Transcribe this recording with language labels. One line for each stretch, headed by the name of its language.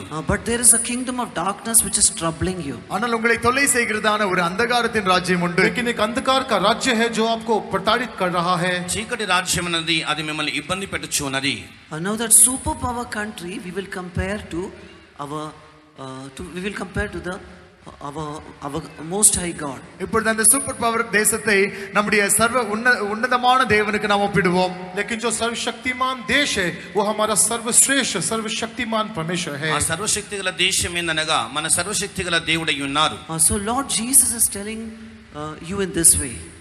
English: But there is a kingdom of darkness which is troubling you.
Tamil: ஆனால் உங்களை தொல்லை செய்கிறதான ஒரு அந்தகாரத்தின் ராஜ்யம் உண்டு.
Hindi: लेकिन एक अंधकार का राज्य है जो आपको प्रताड़ित कर रहा है.
Telugu: చీకటి రాజ్యం అనేది అది మిమ్మల్ని ఇబ్బంది పెట్టుచున్నది.
English: Now that super power country we will compare to our we will compare to the our most high God.
Tamil: இப்பொழுது அந்த சூப்பர் பவர் தேசத்தை நம்முடைய சர்வ உன்னதமான தேவனுக்கு நாம் ஒப்பிடுவோம்.
Hindi: लेकिन जो सर्वशक्तिमान देश है वो हमारा सर्वश्रेष्ठ सर्वशक्तिमान परमेश्वर है.
Telugu: ఆ సర్వశక్తిగల దేశమేందనగా మన సర్వశక్తిగల దేవుడై ఉన్నారు.
English: So Lord Jesus is telling you in this way.